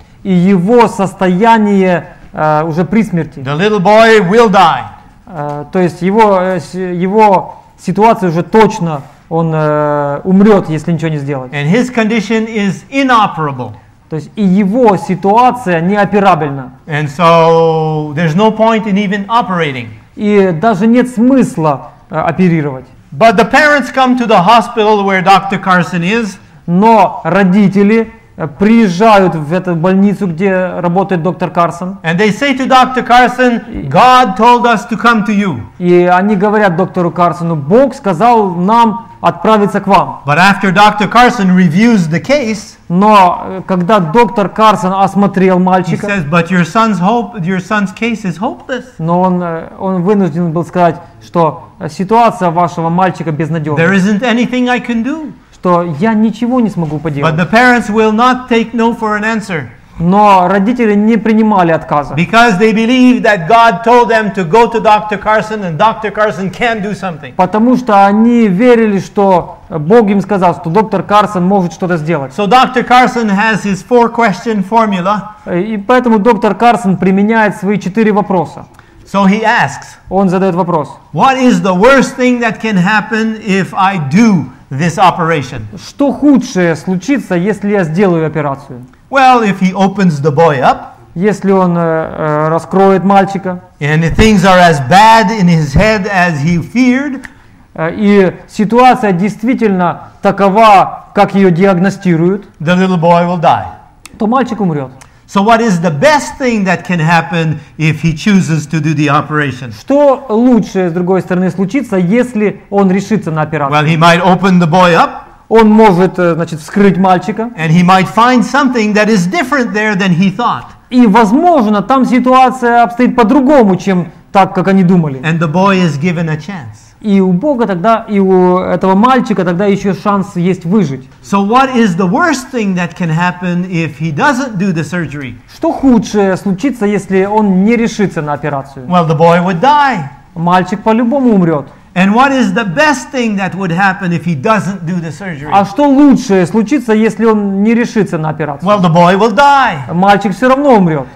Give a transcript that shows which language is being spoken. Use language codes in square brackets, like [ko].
[ru] И его состояние уже при смерти. [en] The little boy will die. [ru] То есть его ситуация уже точно. Он умрет, если ничего не сделает. [en] And his condition is inoperable. [ru] То есть и его ситуация неоперабельна. [en] And so there's no point in even operating. [ru] И даже нет смысла оперировать. [en] But the parents come to the hospital where Dr. Carson is. [ru] Но родители приезжают в эту больницу, где работает доктор Карсон. [en] And they say to Dr. Carson, God told us to come to you. [ru] И они говорят доктору Карсону, Бог сказал нам отправиться к вам. [en] But after Dr. Carson reviews the case, [ru] но когда доктор Карсон осмотрел мальчика, [en] he says, but your son's case is hopeless. [ru] Но он вынужден был сказать, что ситуация вашего мальчика безнадежна. [en] There isn't anything I can do. [ru] Что я ничего не смогу поделать. [en] But the parents will not take no for an answer. [ru] Но родители не принимали отказа. [en] Because they believe that God told them to go to Dr. Carson and Dr. Carson can do something. [ru] Потому что они верили, что Бог им сказал, что доктор Карсон может что-то сделать. [en] So Dr. Carson has his four question formula. [ru] И поэтому доктор Карсон применяет свои четыре вопроса. [en] So he asks. [ru] Он задает вопрос. [en] What is the worst thing that can happen if I do this operation? [ru] Что худшее случится, если я сделаю операцию? [en] Well, if he opens the boy up, [ru] если он раскроет мальчика, [en] and things are as bad in his head as he feared, [ru] и ситуация действительно такова, как ее диагностируют, [en] the little boy will die. [ru] То мальчик умрет. [en] So what is the best thing that can happen if he chooses to do the operation? [ru] Что лучше, с другой стороны, случится, если он решится на операцию? [en] Well, he might open the boy up. [ru] Он может, значит, вскрыть мальчика. [en] And he might find something that is different there than he thought. [ru] И, возможно, там ситуация обстоит по-другому, чем так, как они думали. [en] And the boy is given a chance. [ru] И у Бога тогда, и у этого мальчика тогда еще шанс есть выжить. [en] So what is the worst thing that can happen if he doesn't do the surgery? [ru] Что худшее случится, если он не решится на операцию? [en] Well, the boy would die. [ru] Мальчик по-любому умрет. [en] And what is the best thing that would happen if he doesn't do the surgery? [ru] А что лучшее случится, если он не решится на операцию? [en] Well, the boy will die. [ru] Мальчик все равно умрет.